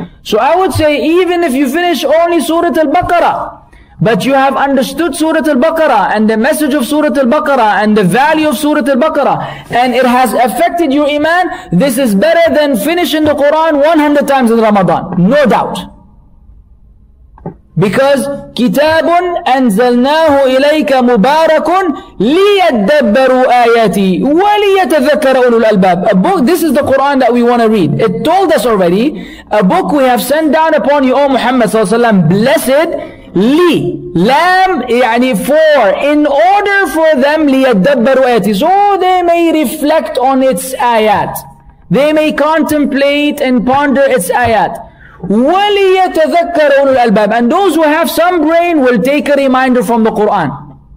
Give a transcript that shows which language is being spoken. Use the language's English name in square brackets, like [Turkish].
[English] So I would say, even if you finish only Surah Al-Baqarah, but you have understood Surah Al-Baqarah and the message of Surah Al-Baqarah and the value of Surah Al-Baqarah, and it has affected your iman, this is better than finishing the Quran 100 times in Ramadan. No doubt. [Arabic] Because كِتَابٌ أَنزَلْنَاهُ إِلَيْكَ مُبَارَكٌ لِيَتَّبَّرُوا آيَاتِي وَلِيَتَذَكَّرَ أُولُو الْأَلْبَابِ. [English] A book, this is the Quran that we want to read. It told us already, a book we have sent down upon you, O Muhammad sallallahu alayhi wa sallam, blessed, li, lam, [Arabic] يعني [English] for, in order for them, [Arabic] liyadabbaru ayati, [English] so they may reflect on its ayat, they may contemplate and ponder its ayat, [Arabic] وَلِيَتَذَكَّرُونُ الْأَلْبَابِ, [English] and those who have some brain will take a reminder from the Quran.